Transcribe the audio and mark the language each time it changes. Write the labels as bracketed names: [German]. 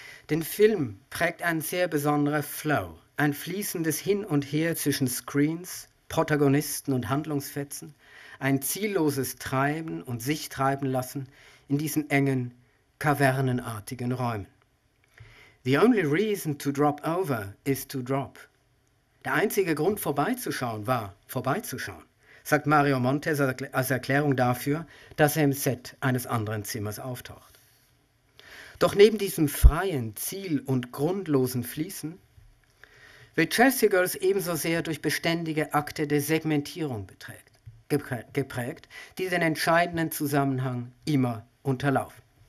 [German] Den Film prägt ein sehr besonderer Flow, ein fließendes Hin und Her zwischen Screens, Protagonisten und Handlungsfetzen, ein zielloses Treiben und sich treiben lassen in diesen engen, kavernenartigen Räumen. [English] The only reason to drop over is to drop. [German] Der einzige Grund vorbeizuschauen war vorbeizuschauen, sagt Mario Montes als Erklärung dafür, dass er im Set eines anderen Zimmers auftaucht. Doch neben diesem freien, ziel- und grundlosen Fließen wird Chelsea Girls ebenso sehr durch beständige Akte der Segmentierung geprägt, die den entscheidenden Zusammenhang immer unterlaufen.